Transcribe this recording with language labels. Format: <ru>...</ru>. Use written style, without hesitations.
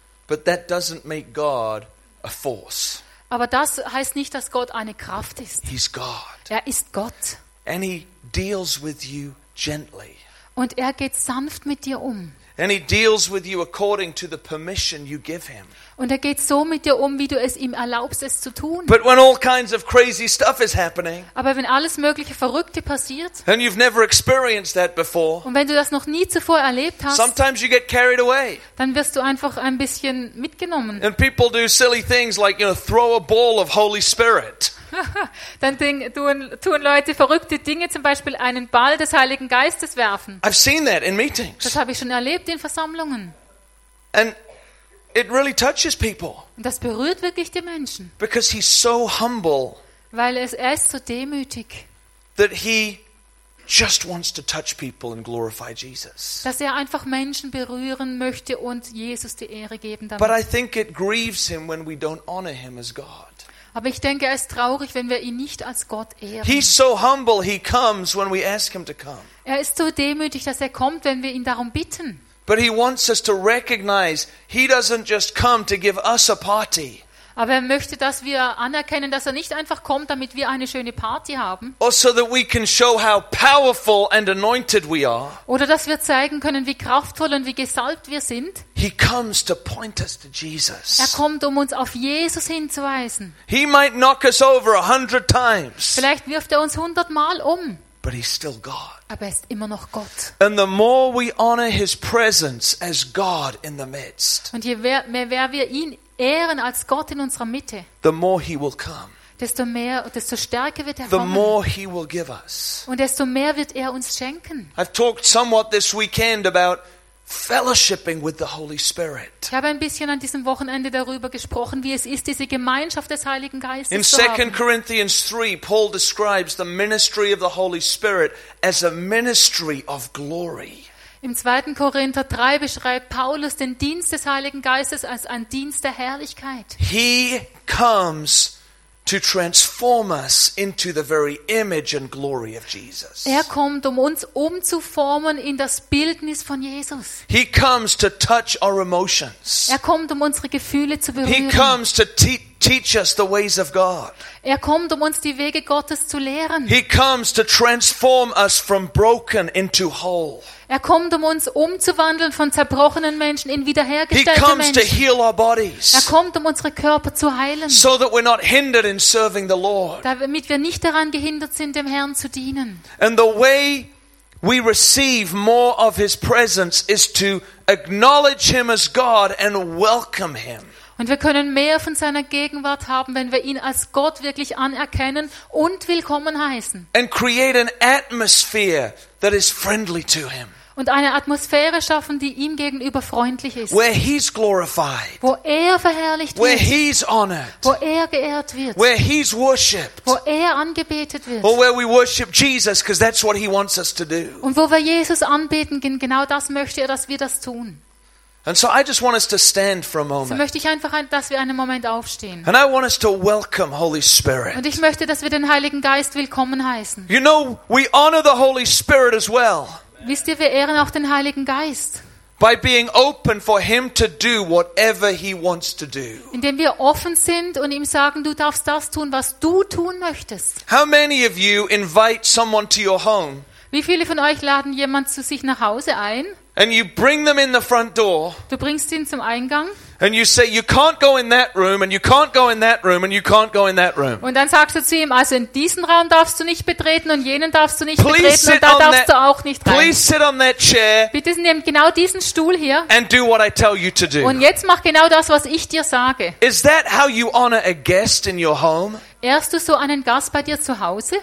<en>But that doesn't make God a force.</en> <de>Aber das heißt nicht, dass Gott eine Kraft ist.</de> <en>He's God.</en> <de>Er ist Gott.</de> <en>And he deals with you gently.</en> <de>Und er geht sanft mit dir um.</de> <en>And he deals with you according to the permission you give him.</en> <de>Und er geht so mit dir um, wie du es ihm erlaubst, es zu tun.</de> <en>But when all kinds of crazy stuff is happening,</en> <de>aber wenn alles mögliche Verrückte passiert,</de> <en>and you've never experienced that before,</en> <de>und wenn du das noch nie zuvor erlebt hast,</de> <en>sometimes you get carried away.</en> <de>Dann wirst du einfach ein bisschen mitgenommen.</de> <en>And people do silly things like, you know, throw a ball of Holy Spirit.</en> <de>Dann tun Leute verrückte Dinge, zum Beispiel einen Ball des Heiligen Geistes werfen.</de> <en>I've seen that in meetings.</en> <de>Das habe ich schon erlebt in Versammlungen.</de> <en>And it really touches people.</en> <de>Das berührt wirklich die Menschen.</de> <en>Because he's so humble.</en> <de>Weil er ist so demütig.</de> <en>That he just wants to touch people and glorify Jesus.</en> <de>Dass er einfach Menschen berühren möchte und Jesus die Ehre geben damit.</de> <en>But I think it grieves him when we don't honor him as God.</en> <de>Aber ich denke, er ist traurig, wenn wir ihn nicht als Gott ehren.</de> <en>He's so humble, he comes when we ask him to come.</en> <de>Er ist so demütig, dass er kommt, wenn wir ihn darum bitten.</de> <en>But he wants us to recognize he doesn't just come to give us a party.</en> <de>Aber er möchte, dass wir anerkennen, dass er nicht einfach kommt, damit wir eine schöne Party haben.</de> <en>Or so that we can show how powerful and anointed we are.</en> <de>Oder dass wir zeigen können, wie kraftvoll und wie gesalbt wir sind.</de> <en>He comes to point us to Jesus.</en> <de>Er kommt, um uns auf Jesus hinzuweisen.</de> <en>He might knock us over 100 times.</en> <de>Vielleicht wirft er uns 100 Mal um.</de> <en>But he's still God.</en> <de>Aber er ist immer noch Gott.</de> <en>And the more we honor his presence as God in the midst.</en> <de>Und je mehr wir ihn ehren als Gott in unserer Mitte.</de> <en>The more he will come.</en> <de>Desto mehr, desto stärker wird er</de> <en>the</en> <de>kommen.</de> <en>The more he will give us.</en> <de>Und desto mehr wird er uns schenken.</de> <en>I've talked somewhat this weekend about fellowshipping with the Holy Spirit.</en> <de>Ich habe ein bisschen an diesem Wochenende darüber gesprochen, wie es ist, diese Gemeinschaft des Heiligen Geistes</de> <en>in</en> <de>zu haben.</de> <en>In 2 Corinthians 3, Paul describes the ministry of the Holy Spirit as a ministry of glory.</en> <de>Im 2. Korinther 3 beschreibt Paulus den Dienst des Heiligen Geistes als einen Dienst der Herrlichkeit.</de> <en>He comes to transform us into the very image and glory of Jesus.</en> <de>Er kommt, um uns umzuformen in das Bildnis von Jesus.</de> <en>He comes to touch our emotions.</en> <de>Er kommt, um unsere Gefühle zu berühren.</de> <en>He comes to teach us the ways of God.</en> <de>Er kommt, um uns die Wege Gottes zu lehren.</de> <en>He comes to transform us from broken into whole.</en> <de>Er kommt, um uns umzuwandeln von zerbrochenen Menschen in wiederhergestellte Menschen.</de> <en>He comes to heal our bodies.</en> <de>Er kommt, um unsere Körper zu heilen.</de> <en>So that we're not hindered in serving the Lord.</en> <de>Damit wir nicht daran gehindert sind, dem Herrn zu dienen.</de> <en>And the way we receive more of his presence is to acknowledge him as God and welcome him.</en> <de>Und wir können mehr von seiner Gegenwart haben, wenn wir ihn als Gott wirklich anerkennen und willkommen heißen.</de> <en>And create an atmosphere that is friendly to him.</en> <de>Und eine Atmosphäre schaffen, die ihm gegenüber freundlich ist.</de> <en>Where he's glorified.</en> <de>Wo er verherrlicht</de> <en>where</en> <de>wird.</de> <en>Where he's honored.</en> <de>Wo er geehrt wird.</de> <en>Where he's worshipped.</en> <de>Wo er angebetet wird.</de> <en>Or where we worship Jesus, because that's what he wants us to do.</en> <de>Und wo wir Jesus anbeten, genau das möchte er, dass wir das tun.</de> <en>And so I just want us to stand for a moment.</en> <de>So möchte ich einfach, dass wir einen Moment aufstehen.</de> <en>And I want us to welcome Holy Spirit.</en> <de>Und ich möchte, dass wir den Heiligen Geist willkommen heißen.</de> <en>You know, we honor the Holy Spirit as well.</en> <de>Wisst ihr, wir ehren auch den Heiligen Geist.</de> <en>By being open for him to do whatever he wants to do.</en> <de>Indem wir offen sind und ihm sagen, du darfst das tun, was du tun möchtest.</de> <en>How many of you invite someone to your home?</en> <de>Wie viele von euch laden jemand zu sich nach Hause ein?</de> <en>And you bring them in the front door.</en> <de>Du bringst ihn zum Eingang.</de> <en>And you say you can't go in that room and you can't go in that room and you can't go in that room.</en> <de>Und dann sagst du zu ihm, also in diesen Raum darfst du nicht betreten und jenen darfst du nicht betreten und da darfst du auch nicht rein.</de> <en>Please sit on that chair.</en> <de>Bitte nimm genau diesen Stuhl hier.</de> <en>And do what I tell you to do.</en> <de>Und jetzt mach genau das, was ich dir sage.</de> <en>Is that how you honor a guest in your home?</en> <de>Ehrst du so einen Gast bei dir zu Hause?</de>